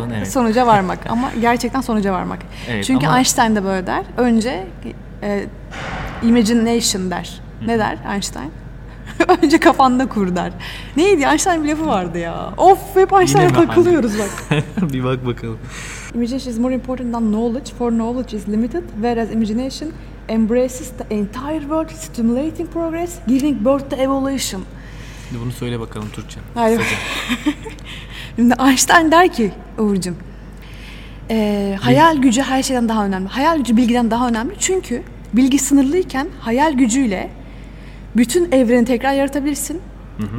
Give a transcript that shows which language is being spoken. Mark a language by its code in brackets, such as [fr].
[tr] oldun, evet. sonuca varmak. Ama gerçekten sonuca varmak. Evet, çünkü ama... Einstein de böyle der. Önce imagination der. Ne der Einstein? Önce kafanda kur der. Neydi? Einstein bir lafı vardı ya. Of, hep Einstein'a takılıyoruz bak. Bir bak bakalım. [en] Imagination is more important than knowledge, for knowledge is limited, whereas imagination embraces the entire world, stimulating progress, giving birth to evolution. [tr] Şimdi bunu söyle bakalım Türkçe. Hayır. Şimdi Einstein der ki, Uğur'cum, hayal gücü her şeyden daha önemli. Hayal gücü bilgiden daha önemli çünkü bilgi sınırlıyken hayal gücüyle bütün evreni tekrar yaratabilirsin, hı-hı.